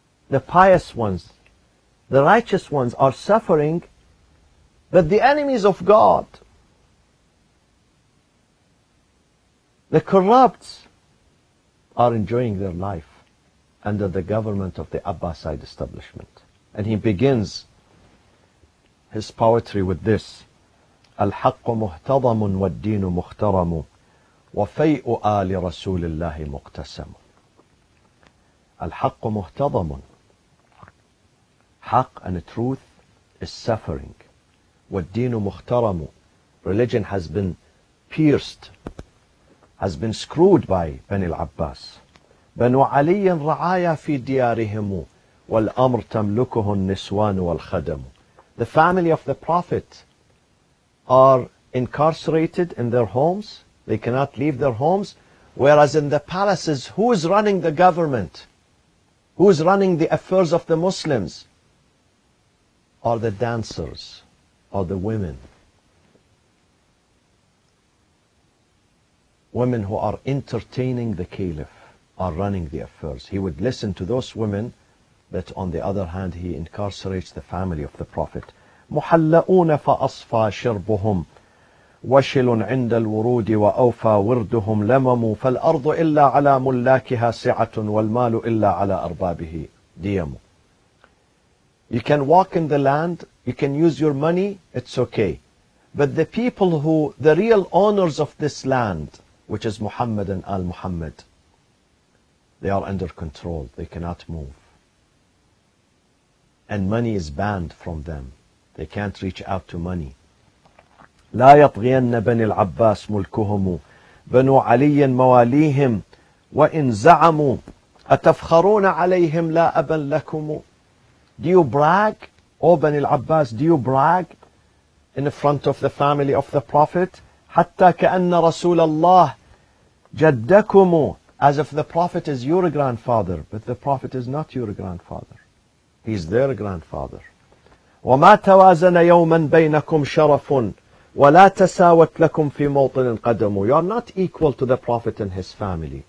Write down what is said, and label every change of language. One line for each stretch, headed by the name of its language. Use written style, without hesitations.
English: The pious ones, the righteous ones are suffering, but the enemies of God, the corrupts, are enjoying their life under the government of the Abbasid establishment. And he begins his poetry with this:
Arabic: الحق مهتضم والدين مخترم وفيء آل رسول الله مقتسم. الحق مهتضم, حق
English: and truth is suffering.
Arabic: والدين مخترم,
English: religion has been pierced, has been screwed by Bani العباس.
Arabic: بنو علي رعايا في ديارهم والأمر تملكه النسوان والخدم.
English: The family of the Prophet are incarcerated in their homes. They cannot leave their homes. Whereas in the palaces, who is running the government? Who is running the affairs of the Muslims? Are the dancers, are the women. Women who are entertaining the caliph are running the affairs. He would listen to those women, but on the other hand, he incarcerates the family of the Prophet.
Arabic: محلؤون فأصفى شربهم وشل عند الورود وأوفى وردهم لمم فالأرض إلا على ملاكها سعة والمال إلا على أربابه ديم.
English: You can walk in the land, you can use your money, it's okay. But the people who, the real owners of this land, which is Muhammad and Al Muhammad, they are under control, they cannot move. And money is banned from them. They can't reach out to money.
Arabic: لا يطغين بني العباس ملكهم بنو علي مواليهم وإن زعموا أتفخرون عليهم لا أبا لكم.
English: Do you brag, O Bani al-Abbas, do you brag in front of the family of the Prophet?
Arabic: حتى كأن رسول الله جدكم,
English: as if the Prophet is your grandfather. But the Prophet is not your grandfather, he's their grandfather.
Arabic: وما توازن يوما بينكم شرف ولا تساوت لكم في موطن قدم.
English: You are not equal to the Prophet and his family.